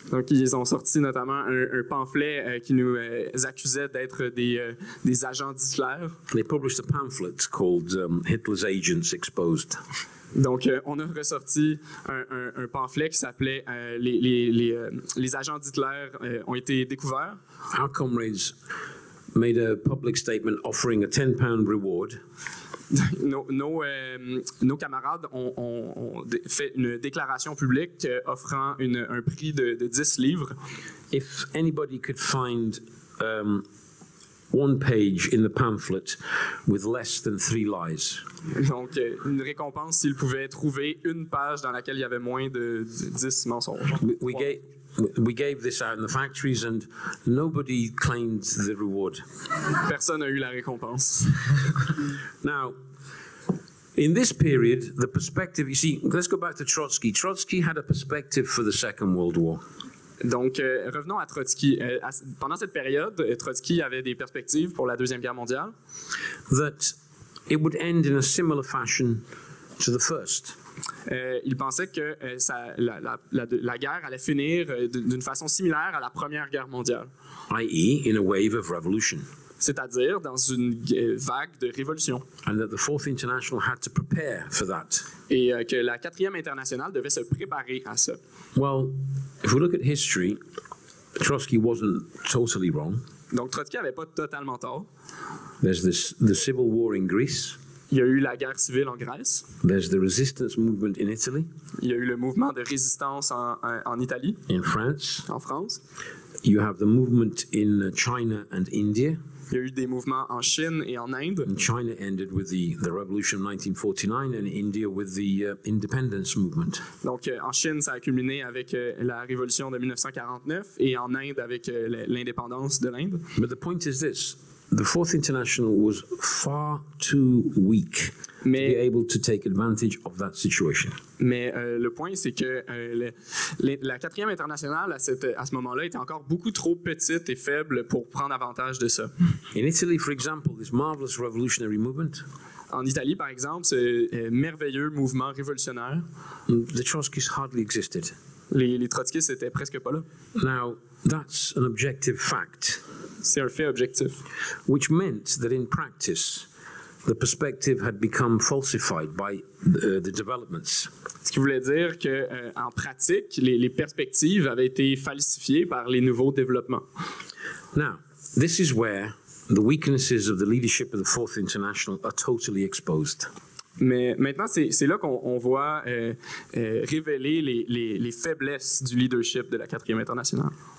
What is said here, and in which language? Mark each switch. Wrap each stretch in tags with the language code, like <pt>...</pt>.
<fr>Donc ils ont sorti notamment un pamphlet qui nous accusait d'être des agents d'Hitler.</fr> <en>They published a pamphlet called Hitler's Agents Exposed.</en> <fr>Donc on a ressorti un pamphlet qui s'appelait les agents d'Hitler ont été découverts.</fr> <en>Our comrades made a public statement offering a £10 reward.</en> <fr>Nos camarades ont fait une déclaration publique offrant un prix de 10 livres.</fr> <en>If anybody could find one page in the pamphlet with less than 3 lies.</en> <fr>Donc, une récompense s'ils pouvaient trouver une page dans laquelle il y avait moins de 10 mensonges.</fr> <en>We gave this out in the factories and nobody claimed the reward.</en> <fr>Personne n'a eu la récompense.</fr> <en>Now, In this period, the perspective, you see, let's go back to Trotsky. Trotsky had a perspective for the Second World War.</en> <fr>Donc, revenons à Trotsky. Pendant cette période, Trotsky avait des perspectives pour la Deuxième Guerre mondiale.</fr> <en>That it would end in a similar fashion to the first.</en> <fr>Il pensait que la guerre allait finir d'une façon similaire à la Première Guerre mondiale.</fr> <en>I.e., in a wave of revolution.</en> <fr>C'est-à-dire dans une vague de révolution.</fr> <en>And that the Fourth International had to prepare for that.</en> <fr>Et que la Quatrième Internationale devait se préparer à ça.</fr> <en>Well, if we look at history, Trotsky wasn't totally wrong.</en> <fr>Donc Trotsky n'avait pas totalement tort.</fr> <en>There's the civil war in Greece.</en> <fr>Il y a eu la guerre civile en Grèce.</fr> <en>There's the resistance movement in Italy.</en> <fr>Il y a eu le mouvement de résistance en Italie.</fr> <en>In France.</en> <fr>En France.</fr> <en>You have the movement in China and India.</en> <fr>Il y a eu des mouvements en Chine et en Inde.</fr> <en>And China ended with the revolution of 1949 and India with the independence movement.</en> <fr>Donc en Chine, ça a culminé avec la révolution de 1949 et en Inde avec l'indépendance de l'Inde.</fr> <en>But the point is this. The Fourth International was far too weak</en> <fr>mais,</fr> <en>to be able to take advantage of that situation.</en> <fr>Mais le point, c'est que la Quatrième Internationale, à ce moment-là, était encore beaucoup trop petite et faible pour prendre avantage de ça.</fr> <en>In Italy, for example, this marvelous revolutionary movement.</en> <fr>En Italie, par exemple, ce merveilleux mouvement révolutionnaire.</fr> <en>The Trotskys hardly existed.</en> <fr>Les Trotskys n'étaient presque pas là.</fr> <en>Now, that's an objective fact.</en> <fr>C'est un fait objectif.</fr> <en>Which meant that in practice, the perspective had become falsified by the developments.</en> <fr>Ce qui voulait dire que, en pratique, les perspectives avaient été falsifiées par les nouveaux développements.</fr> <en>Now, this is where the weaknesses of the leadership of the Fourth International are totally exposed.</en> <fr>Mais maintenant, c'est là qu'on voit révéler les faiblesses du leadership de la Quatrième Internationale.</fr>